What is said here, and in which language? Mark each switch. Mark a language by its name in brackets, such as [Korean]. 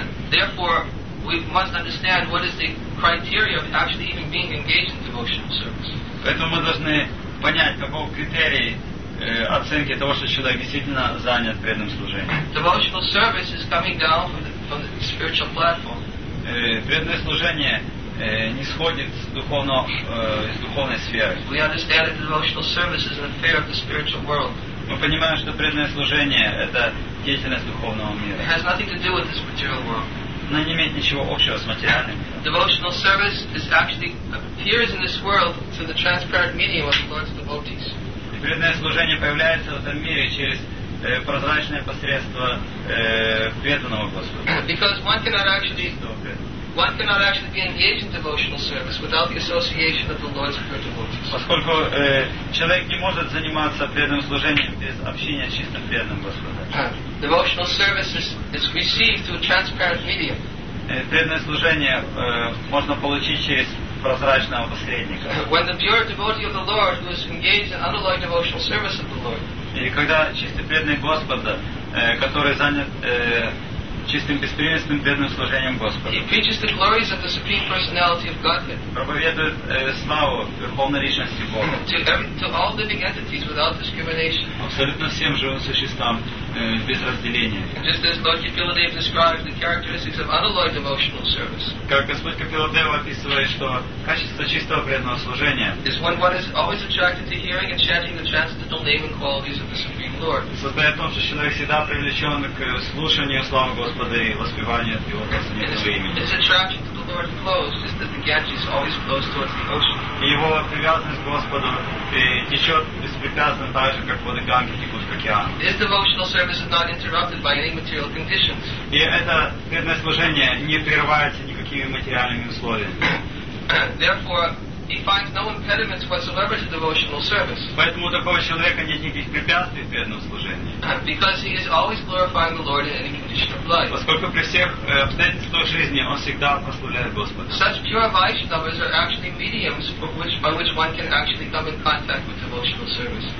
[English] Therefore, we must understand what is the criteria of actually even being engaged in devotional service. [Russian] Поэтому мы должны понять, каков критерий оценки того, что человек действительно занят преданным служением. [English] Devotional service is coming down from the spiritual platform. [Russian] Преданное служение не сходит из духовной сферы. [English] We understand that devotional service is an affair of the spiritual world. [Russian] Мы понимаем, что преданное служение — это деятельность духовного мира. [English] It has nothing to do with this material world. [Russian] Но не имеет ничего общего с материальным миром. [English] Devotional service is actually appears in this world through the transparent medium of the Lord's devotees. [Russian] И преданное служение появляется в этом мире через прозрачное посредство преданного Господа. [English] Because one cannot actually be engaged in devotional service without the association of the Lord's devotees. [Russian] Поскольку человек не может заниматься преданным служением без общения с чистым преданным Господом. [English] Devotional service is received through transparent medium. [Russian] Преданное служение можно получить через прозрачного посредника. [English] When the pure devotee of the Lord who is engaged in unalloyed devotional service of the Lord. [Russian] И когда чистый преданный Господа, который занят чистым беспристрастным преданным служением Господу. [English] He preaches the glories of the Supreme Personality of Godhead. [Russian] Проповедует славу Верховной Личности Бога. [English] To all living entities without discrimination. [Russian] Абсолютно всем живым существам без разделения. [English] Just as Lord Kapiladeva describes the characteristics of unalloyed devotional service. [Russian] Как Господь Капиладева описывает, что качество чистого преданного служения. [English] Is when one is always attracted to hearing and chanting the transcendental name and qualities of the Supreme Lord. [Russian] Состоит в том, что человек всегда привлечен к слушанию славы Господа и воспеванию от Его Господа имени. [English] His attraction to the Lord flows, just that the Ganges always flows towards the ocean. [Russian] И его привязанность к Господу течет беспрепятственно так же, как воды Ганги текут в океан. [English] His devotional service is not interrupted by any material conditions. [Russian] И это преданное служение не прерывается никакими материальными условиями. [English] Therefore, he finds no impediments whatsoever to devotional service. [Russian] Поэтому у такого человека нет никаких препятствий в преданном служении. [English] Because he is always glorifying the Lord in any condition of life. [Russian] Поскольку при всех обстоятельствах жизни он всегда прославляет Господа. [English] Such pure Vaishnavas are actually mediums by which one can actually come in contact with devotional service.